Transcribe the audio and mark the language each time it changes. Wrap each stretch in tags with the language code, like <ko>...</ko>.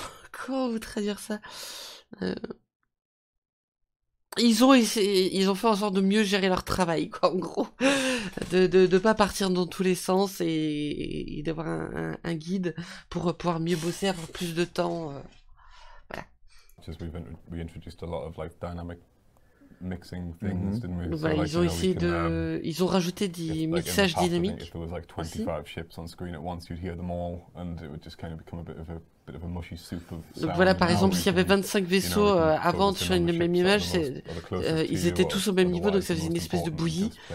<fr>Comment vous traduire ça? Ils ont fait en sorte de mieux gérer leur travail, quoi, en gros. De pas partir dans tous les sens et d'avoir un guide pour pouvoir mieux bosser, avoir plus de temps. Voilà.</fr> <en>We introduced a lot of like dynamic mixing things, didn't we?</en> <fr>Voilà,</fr> <en>so, like,</en> <fr>ils ont essayé de. Ils ont rajouté des mixages dynamiques.</fr> <en>If there was like 25 ships on screen at once, you'd hear them all and it would just kind of become a bit of a.</en> <fr>Donc voilà, par exemple, s'il y avait 25 vaisseaux avant sur une même image, ils étaient tous au même niveau, donc ça faisait une espèce de bouillie.</fr>